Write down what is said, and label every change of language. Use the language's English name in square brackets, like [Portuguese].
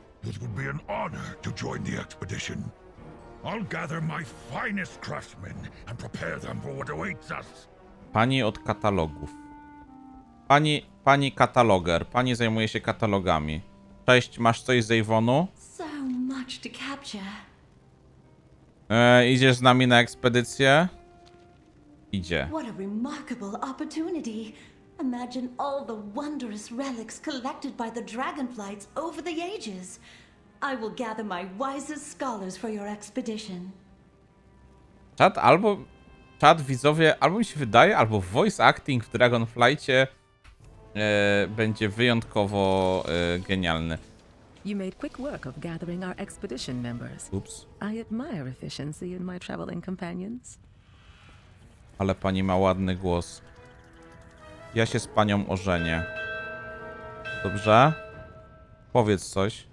[English] It would be an honor to join the expedition. I'll gather my finest craftsmen and prepare them for what awaits us. [Polish] Pani od katalogów. Pani kataloger. Pani zajmuje się katalogami. Cześć, masz coś z Eivonu? [English] So much to capture. [Polish] Idziesz z nami na ekspedycję? Idzie. [English] What a remarkable opportunity. Imagine all the wondrous relics collected by the dragonflies over the ages. I will gather my wisest scholars for your expedition. [Polish] Chat albo... Chat, widzowie, albo mi się wydaje, albo voice acting w Dragonflight'cie będzie wyjątkowo genialny. [English] You made quick work of gathering our expedition members. Oops. I admire efficiency in my traveling companions. [Polish] Ale pani ma ładny głos. Ja się z panią ożenię. Dobrze? Powiedz coś.